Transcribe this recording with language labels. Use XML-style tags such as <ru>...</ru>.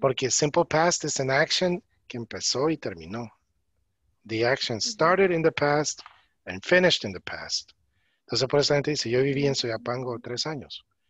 <es>Porque</es> <en>simple past is an action</en> <es>que empezó y terminó.</es> <en>The action started in the past and finished in the past.</en> <es>Entonces, por eso la gente dice, yo viví en Soyapango 3 años.</es>